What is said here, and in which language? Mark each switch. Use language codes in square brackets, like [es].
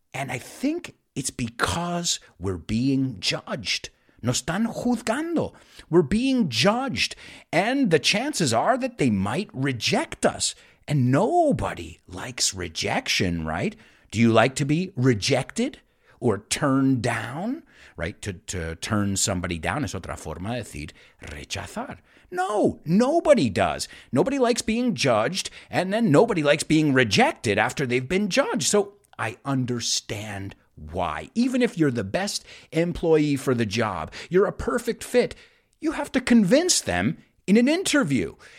[en] And I think it's because we're being judged. [es] Nos están juzgando. [en] We're being judged. And the chances are that they might reject us. And nobody likes rejection, right? Do you like to be rejected or turned down, right? To turn somebody down is [es] otra forma de decir rechazar. [en] No, nobody does. Nobody likes being judged, and then nobody likes being rejected after they've been judged. So I understand why. Even if you're the best employee for the job, you're a perfect fit, you have to convince them in an interview.